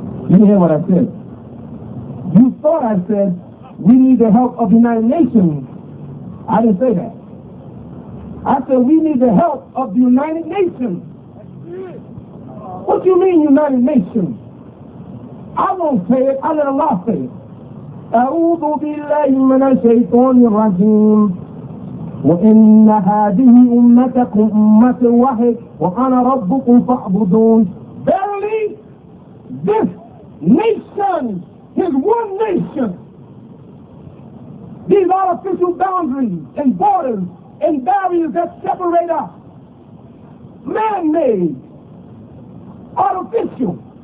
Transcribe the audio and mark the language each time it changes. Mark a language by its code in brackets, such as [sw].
[en] You didn't hear what I said. You thought I said, we need the help of the United Nations. I didn't say that. I said, we need the help of the United Nations. What do you mean, United Nations? I won't say it, I let Allah say it. [ar] أعوذ بالله من الشيطان الرجيم وإن هذه أمتكم أمة واحدة وأنا ربكم فاعبدون. [en] Verily, this nation is one nation. These artificial boundaries and borders and barriers that separate us, man-made, artificial.